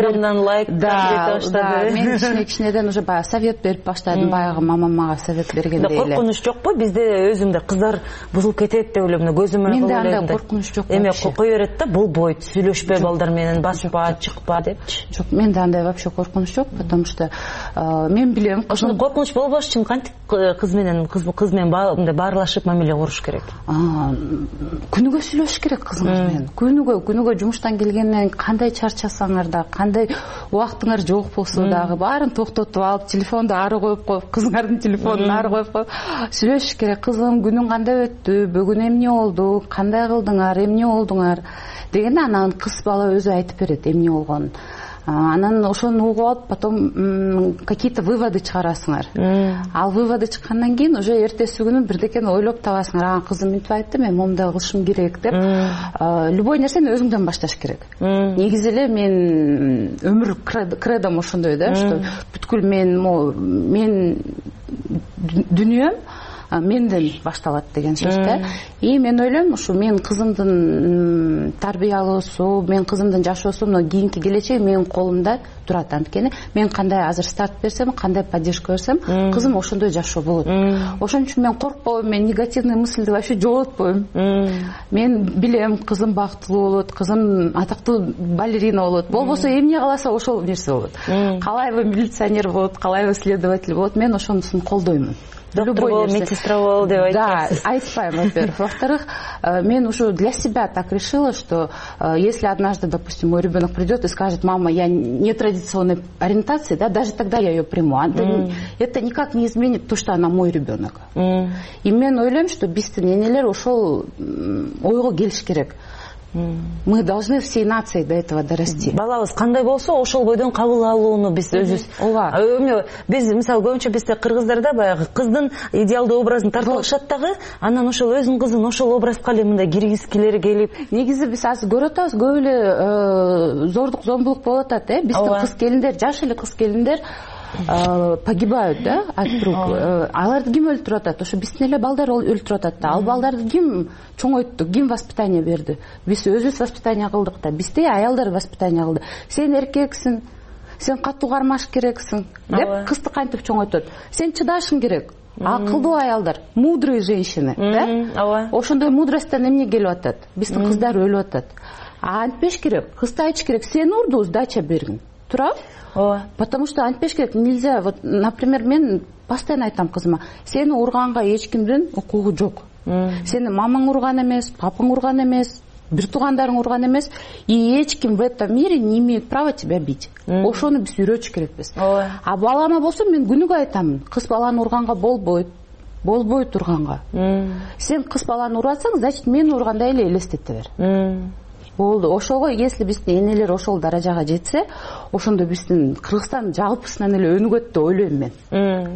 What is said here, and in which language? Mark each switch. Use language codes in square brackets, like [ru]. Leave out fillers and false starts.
[ky] инстаграмдан лайк баштады. Мен кичине кичинеден уже баягы совет берип баштадым, баягы мамам мага совет бергендей эле. Коркунуч жокпу? Бизде өзүмдө кыздар бузулуп кетет деп ойлойм, көзүм менен. Менде андай коркунуч жок. Эме кое берет да, болбойт, сүйлөшпө балдар менен, басып чыкпа депчи. Жок, менде андай вообще коркунуч жок, потому что мен билем. Ошол коркунуч болбош үчүн кантип кыз менен мындай баарлашып мамиле куруш керек? Күнүгө сүйлөш керек кызыңыз менен. Күнүгө жумуштан келгенден кандай чарчасаңар да, кандай убактыңар жок болсо дагы, баарын токтотуп алып, телефон ары коюп коюп, кызыңардын телефонун ары коюп коюп сүйлөшүш керек. Кызым, күнүң кандай өттү, бүгүн эмне болду, кандай кылдыңар, эмне болдуңар дегенде анан кыз бала өзү айтып берет эмне болгонун. Анан ошону угуп алып потом какие то выводы чыгарасыңар. Ал выводы чыккандан кийин уже эртеси күнү бирдекени ойлоп табасыңар. Ага, кызым мынтип айтты, мен момундай кылышым керек деп. Любой нерсени өзүңдөн башташ керек. Негизи эле мен өмүр кредом ошондой да, что бүткүл мен дүнүйөм менден башталат деген сөз да. И мен ойлойм, ушу мен кызымдын тарбиялоосу, мен кызымдын жашоосу, мына кийинки келечеги менин колумда турат. Анткени мен кандай азыр старт берсем, кандай поддержка берсем, кызым ошондой жашоо болот. Ошон үчүн мен коркпойм, мен негативный мыслды вообще жоготпойм. Мен билем, кызым бактылуу болот, кызым атактуу балерина болот, болбосо эмне кааласа ошол нерсе болот. Калайбы милиционер болот, калайбы следователь болот, мен ошонусун колдоймун. Доктор болуп, медсестра болуп деп [ru] айтасыз. Да, айтпайм, во-первых. Во-вторых, мен ушу для себя так решила, что если однажды, допустим, мой ребенок придет и скажет, мама, я нетрадиционной ориентации, да, даже тогда я ее приму. Это никак не изменит то, что она мой ребенок. [ky] И мен ойлойм, что биздин энелер ушул ойго келиш керек. [ru] Мы должны всей нацией до этого дорасти. [ky] Балабыз кандай болсо ошол бойдон кабыл алууну биз өзүбүз. Ооба. Эмне биз мисалы көбүнчө бизде кыргыздарда баягы кыздын идеалдуу образын тартып алышат дагы, анан ошол өзүнүн кызын ошол образга эле мындай киргизгилери келип. Негизи биз азыр көрүп атабыз, көп эле зордук зомбулук болуп атат, э? Биздин кыз келиндер, жаш эле кыз келиндер погибают да от рук. Аларды ким өлтүрүп атат? Ошо биздин эле балдар өлтүрүп атат да. Ал балдарды ким чоңойтту, ким воспитание берди? Биз өзүбүз воспитание кылдык да, бизде аялдар воспитание кылды. Сен эркексиң, сен катуу кармаш керексиң деп кызды кантип чоңойтот? Сен чыдашың керек. Акылдуу аялдар, мудрые женщины, да? Ооба. Ошондой мудростьтон эмне келип атат? Биздин кыздар өлүп атат. Антпеш керек, кызды айтыш керек, сен урду, сдача бергиң. Турабы? Ооба. Потому что антпеш керек, нельзя. Вот, например, мен постоянно айтам кызыма, сени урганга эч кимдин укугу жок. Сени мамаң урган эмес, папаң урган эмес, бир туугандарың урган эмес, и эч ким [ru] в этом мире не имеет права тебя бить. [ky] Ошону биз үйрөтүш керекпиз. Ооба. А балама болсо мен күнүгө айтам, кыз баланы урганга болбойт, болбойт урганга. Сен кыз баланы урасаң, значит мени ургандай эле элестете бер. болду. Ошого если биздин энелер ошол даражага жетсе, ошондо биздин Кыргызстан жалпысынан эле өнүгөт деп ойлойм мен.